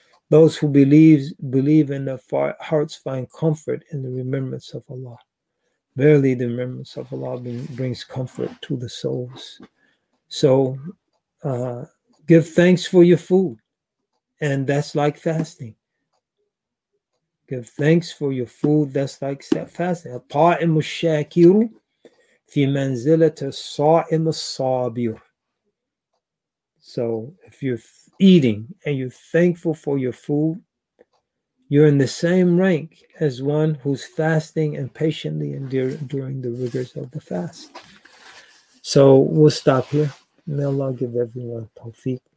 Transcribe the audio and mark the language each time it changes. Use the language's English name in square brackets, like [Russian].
[English] Those who believe in their hearts find comfort in the remembrance of Allah. Verily, the remembrance of Allah brings comfort to the souls. So give thanks for your food. And that's like fasting. Give thanks for your food. That's like fasting. [Arabic] الطائم الشاكر في منزلة الصائم الصابر. [English] So if you're eating and you're thankful for your food, you're in the same rank as one who's fasting and patiently enduring the rigors of the fast. So we'll stop here. May Allah give everyone tawfiq.